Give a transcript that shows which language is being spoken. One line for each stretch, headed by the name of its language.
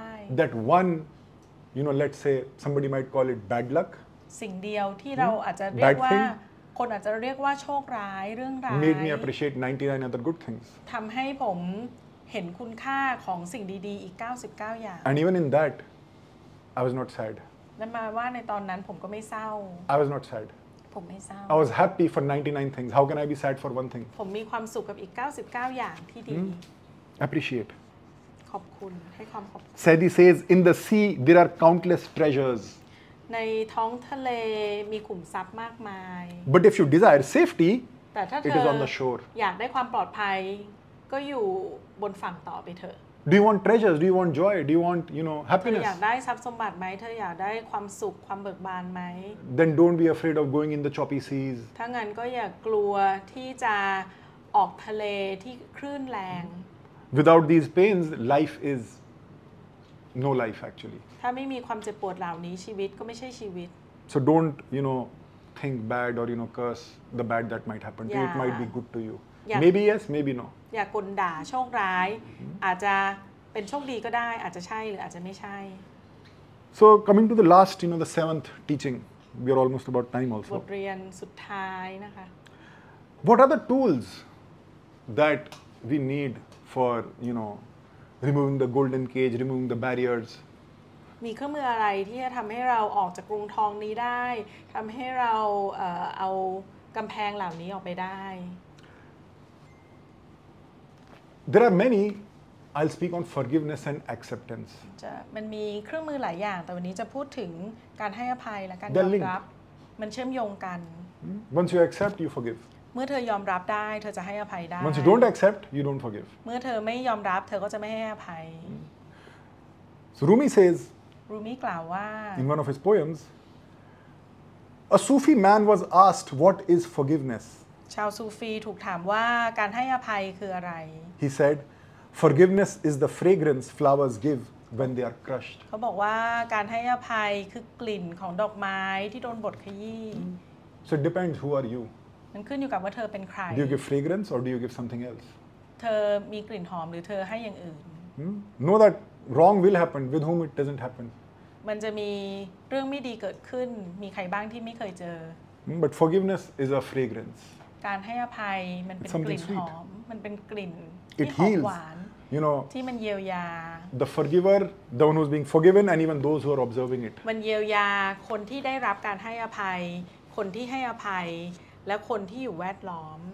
English: That one, you know, let's say somebody might call it bad luck.
Thai: สิ่งเดียวที่เราอาจจะเรียกว่าคนอาจจะเรียกว่าโชคร้ายเรื่องราว
English: made me appreciate 99 other good things
Thai: ทำให้ผมเห็นคุณค่าของสิ่งดีๆอีก99อย่าง
English: and even in that I was not sad
Thai: นั่นหมายว่าในตอนนั้นผมก็ไม่เศร้า
English: I was not sad
Thai: ผมไม่เศร้า
English: I was happy for 99 things how can I be sad for one thing
Thai: ผมมีความสุขกับอีก99อย่างที่ดี
English: appreciate
Thai: ขอบคุณให้ความขอบคุ ณ
English: Sadie says in the sea there are countless treasures
Thai: ในท้องทะเลมีขุมทรัพย์มากมาย
English: But if you desire safety it is on the shore
Thai: อยากได้ความปลอดภัยก็อยู่บนฝั่งต่อไปเถอะ
English: Do you want treasures? Do you want joy? Do you want, you know, happiness?
Thai: เธออยากได้ทรัพย์สมบัติไหมเธออยากได้ความสุขความเบิกบานไหม
English: Then don't be afraid of going in the choppy seas
Thai: ถ้างั้นก็อย่ากลัวที่จะออกทะเลที่คลื่นแรง
English: Without these pains life is no life actually
Thai: ถ้าไม่มีความเจ็บปวดเหล่านี้ชีวิตก็ไม่ใช่ชีวิต
English: so don't you know think bad or you know curse the bad that might happen to you it might be good to you maybe yes maybe no
Thai: อย่ากลด่าโชคร้ายอาจจะเป็นโชคดีก็ได้อาจจะใช่หรืออาจจะไม่ใช่
English: so coming to the last you know the seventh teaching we are almost about time also
Thai: บทเรียนสุดท้ายนะคะ
English: what are the tools that we need for you know removing the golden cage removing the barriers
Thai: มีเครื่องมืออะไรที่จะทำให้เราออกจากกรงทองนี้ได้ทำให้เราเอากำแพงเหล่านี้ออกไปได้
English: There are many I'll speak on forgiveness and acceptance
Thai: จะมันมีเครื่องมือหลายอย่างแต่วันนี้จะพูดถึงการให้อภัยและการยอมรับมันเชื่อมโยงกัน
English: Once you accept you forgive
Thai: เมื่อเธอยอมรับได้เธอจะให้อภัยได้
English: Once you don't accept you don't forgive
Thai: เมื่อเธอไม่ยอมรับเธอก็จะไม่ให้อภัย
English: Rumi says
Thai: Rumi กล่าวว่า
English: In one of his poems A Sufi man was asked what is forgiveness
Thai: ชาวซูฟีถูกถามว่าการให้อภัยคืออะไร
English: He said forgiveness is the fragrance flowers give when they are crushed
Thai: เขาบอกว่าการให้อภัยคือกลิ่นของดอกไม้ที่โดนบดขยี้
English: So it depends who are you
Thai: มันขึ้นอยู่กับว่าเธอเป็นใคร
English: Do you give fragrance or do you give something else
Thai: เธอมีกลิ่นหอมหรือเธอให้อย่างอื่น
English: Know thatWrong will happen with whom it doesn't happen.
Thai: มันจะมีเรื่องไม่ดีเกิดขึ้นมีใครบ้างที่ไม่เคยเจอ
English: But forgiveness is a fragrance.
Thai: การให้อภัยมันเป็นกลิ่นหอมมันเป็นกลิ่น ที่หอมหวาน
English: You know
Thai: ที่มันเยียวยา
English: The forgiver, the one who's being forgiven, and even those who are observing it.
Thai: มันเยียวยาคนที่ได้รับการให้อภัยคนที่ให้อภัยและคนที่อยู่แวดล้อม